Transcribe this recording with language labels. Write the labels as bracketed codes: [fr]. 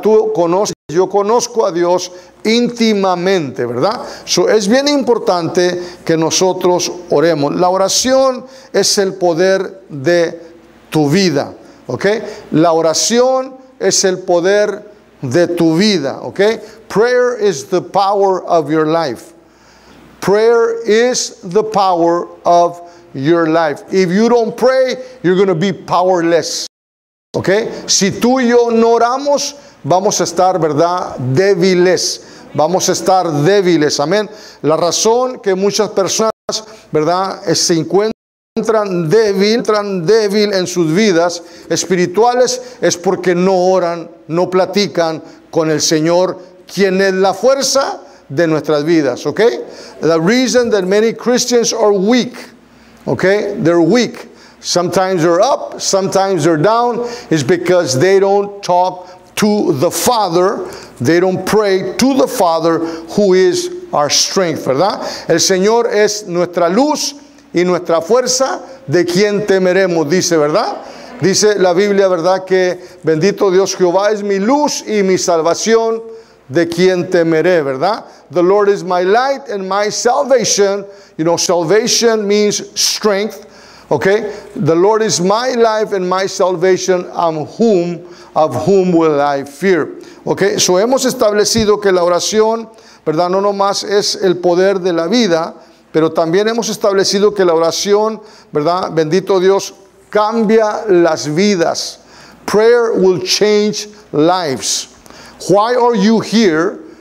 [es] Tú conoces, yo conozco a Dios íntimamente, ¿verdad? So, es bien importante que nosotros oremos. La oración es el poder de tu vida, ¿ok? La oración es el poder de tu vida, ¿ok? [en] Prayer is the power of your life. Prayer is the power of your life. If you don't pray, you're going to be powerless. Okay? [es] Si tú y yo no oramos, vamos a estar, ¿verdad?, débiles. Vamos a estar débiles. Amén. La razón que muchas personas, ¿verdad?, se encuentran débil en sus vidas espirituales es porque no oran, no platican con el Señor, quien es la fuerza de nuestras vidas, ¿okay? [en] The reason that many Christians are weak, ¿okay? They're weak. Sometimes they're up, sometimes they're down, is because they don't talk to the Father, they don't pray to the Father who is our strength, ¿verdad? [es] El Señor es nuestra luz y nuestra fuerza, de quien temeremos, dice, ¿verdad? Dice la Biblia, ¿verdad?, que bendito Dios Jehová es mi luz y mi salvación, de quien temeré, ¿verdad? [en] The Lord is my light and my salvation. You know, salvation means strength, okay? The Lord is my life and my salvation, of whom will I fear, okay? [es] So hemos establecido que la oración, ¿verdad?, no nomás es el poder de la vida, pero también hemos establecido que la oración, ¿verdad?, bendito Dios, cambia las vidas. [en] Prayer will change lives. Why are you here?